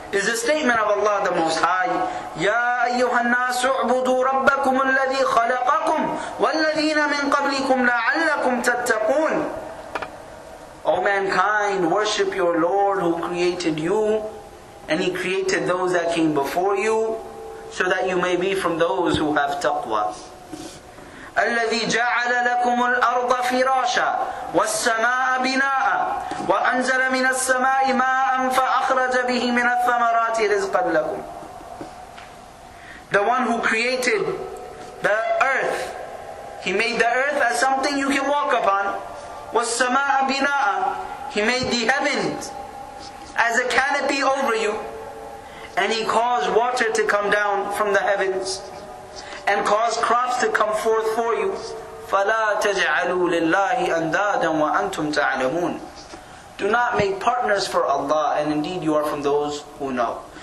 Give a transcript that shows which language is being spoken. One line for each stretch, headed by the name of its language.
English: is a statement of Allah the Most High.
Arabic: يَا أَيُّهَا النَّاسُ اعْبُدُوا رَبَّكُمُ الَّذِي خَلَقَكُمْ وَالَّذِينَ مِنْ قَبْلِكُمْ لَعَلَّكُمْ تَتَّقُونَ
English: O mankind, worship your Lord who created you, and He created those that came before you, so that you may be from those who have taqwa.
Arabic: الَّذِي جَعَلَ لَكُمُ الْأَرْضَ فِرَاشًا وَالسَّمَاءَ بِنَاءً وَأَنْزَلَ مِنَ السَّمَاءِ مَاءً فَأَخْرَجَ بِهِ مِنَ الثَّمَرَاتِ رِزْقًا لَكُمْ
English: The one who created the earth, He made the earth as something you can walk upon.
Arabic: وَالسَّمَاءَ بِنَاءً
English: He made the heavens as a canopy over you. And He caused water to come down from the heavens. And cause crops to come forth for you.
Arabic: فَلَا تَجْعَلُوا لِلَّهِ أَنْدَادًا وَأَنْتُمْ تَعْلَمُونَ
English: Do not make partners for Allah, and indeed you are from those who know.